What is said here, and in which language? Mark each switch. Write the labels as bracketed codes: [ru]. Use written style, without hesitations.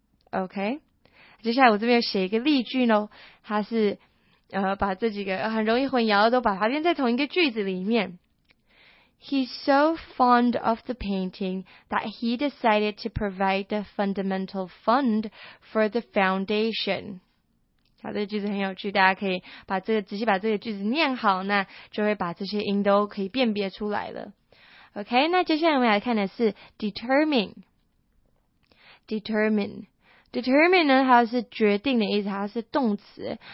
[zh] OK， 接下来我这边写一个例句喽，它是。把这几个很容易混淆的都把它连在同一个句子里面。 [en] He's so fond of the painting that he decided to provide the fundamental fund for the foundation. [zh] 好，这个句子很有趣，大家可以把这个仔细把这个句子念好，那就会把这些音都可以辨别出来了。 OK， 那接下来我们来看的是 determine。determine。 Determine 呢，它是决定的意思，它是动词。